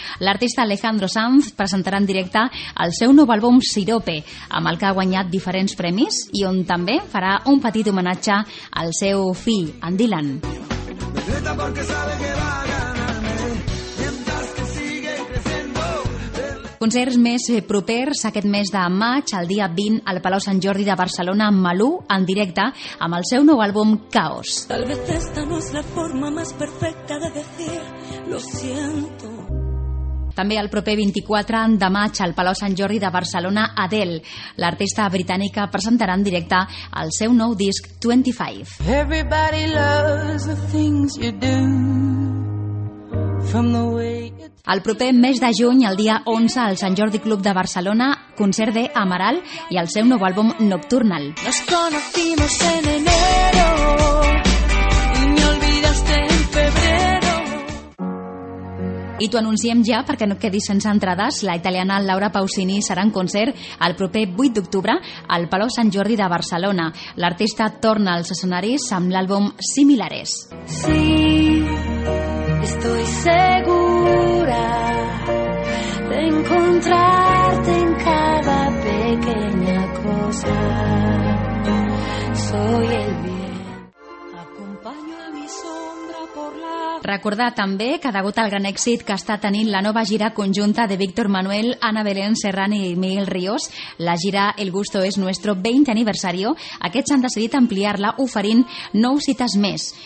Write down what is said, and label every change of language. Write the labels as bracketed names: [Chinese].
[Catalan] L'artista Alejandro Sanz presentarà en directe el seu nou àlbum Sirope, amb el que ha guanyat diferents premis i on també farà un petit homenatge al seu fill, en Dylan. Concerts més propers aquest mes de maig, el dia 20, al Palau Sant Jordi de Barcelona, amb Malú, en directe, amb el seu nou àlbum, Caos. [Spanish] Tal vez esta no es la forma más perfecta de decir lo siento. [Catalan] També el proper 24 de maig, al Palau Sant Jordi de Barcelona, Adele, l'artista britànica, presentarà en directe el seu nou disc, 25. [English] Everybody loves the things you do. [Catalan] El proper mes de juny, el dia 11, al Sant Jordi Club de Barcelona, concert de Amaral i el seu nou àlbum Nocturnal. [Spanish] Nos conocimos en enero y me olvidaste en febrero. [Catalan] I t'ho anunciem ja perquè no et quedis sense entrades. La italiana Laura Pausini serà en concert el proper 8 d'octubre al Palau Sant Jordi de Barcelona. L'artista torna als escenaris amb l'àlbum Similares. Sí. [Spanish] Estoy segura de encontrarte en cada pequeña cosa. Soy el bien. Acompaño a mi sombra por la... [Catalan] Recordar també que degut al gran èxit que està tenint la nova gira conjunta de Víctor Manuel, Ana Belén Serrani i Miguel Ríos, la gira El Gusto es Nuestro 20 aniversari, aquests han decidit ampliar-la oferint 9 cites més.